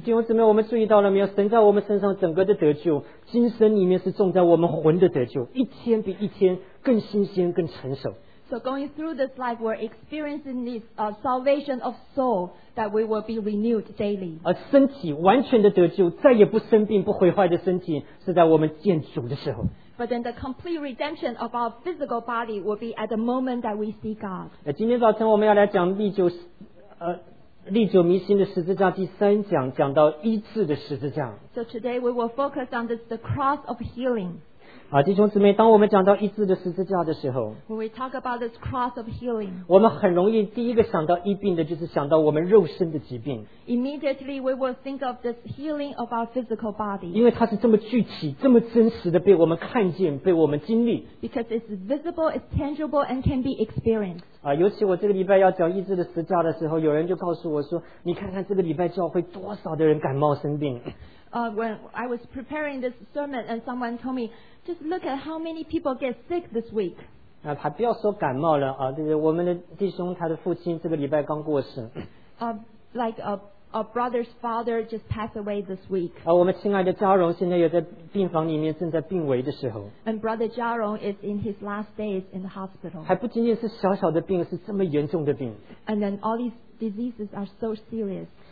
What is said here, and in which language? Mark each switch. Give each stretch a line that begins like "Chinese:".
Chinese: 弟兄姊妹我们注意到了没有, 神在我们身上整个的得救, 今生里面是种在我们魂的得救, 一天比一天更新鲜更成熟。
English: So going through this life, we're experiencing this salvation of soul that we will be renewed daily.
Chinese: 身体完全的得救,再也不生病不毁坏的身体,是在我们见主的时候。
English: But then the complete redemption of our physical body will be at the moment that we see God.
Chinese: 今天早晨我们要来讲历久弥新的十字架第3讲,讲到医治的十字架。
English: So today we will focus on this, the cross of healing.
Chinese: 弟兄姊妹,当我们讲到医治的十字架的时候,
English: when we talk about this cross of healing,
Chinese: 我们很容易第一个想到医病的就是想到我们肉身的疾病。
English: Immediately we will think of this healing of our physical body.
Chinese: 因为它是这么具体,这么真实的被我们看见,被我们经历。
English: Because it's visible, it's tangible, and can be experienced.
Chinese: 尤其我这个礼拜要讲医治的十字架的时候, 有人就告诉我说, 你看看这个礼拜教会多少的人感冒生病。
English: When I was preparing this sermon, and someone told me, just look at how many people get sick this week.
Chinese: 还不要说感冒了,我们的弟兄他的父亲这个礼拜刚过世。
English: A brother's father just passed away this week.
Chinese: 我们亲爱的嘉荣现在也在病房里面正在病危的时候。
English: And brother Jiarong is in his last days in the hospital.
Chinese: 还不仅仅是小小的病,是这么严重的病。
English: And then all these diseases are so serious.